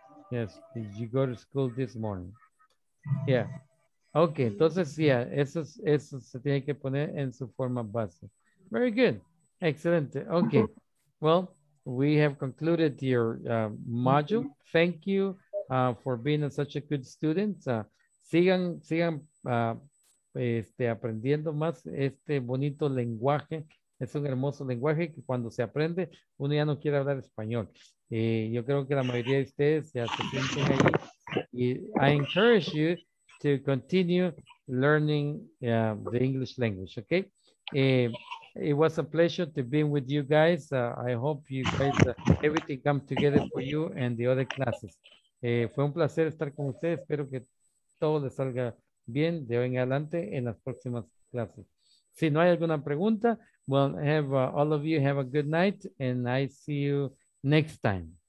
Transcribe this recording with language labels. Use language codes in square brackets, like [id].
[en] Yes, did you go to school this morning? Yeah. [es] Okay, entonces, yeah, eso se tiene que poner en su forma base. [en] Very good. [es] Excelente. [en] Okay. Well, we have concluded your module. Thank you for being such a good student. [es] Sigan aprendiendo más este bonito lenguaje. Es un hermoso lenguaje que cuando se aprende, uno ya no quiere hablar español. Yo creo que la mayoría de ustedes ya se sienten ahí. [en] Y I encourage you to continue learning the English language, okay? It was a pleasure to be with you guys. I hope you guys, everything comes together for you and the other classes. [es] Fue un placer estar con ustedes. Espero que todo les salga bien de hoy en adelante en las próximas clases. Si no hay alguna pregunta, [en] well, have all of you have a good night, and I see you next time.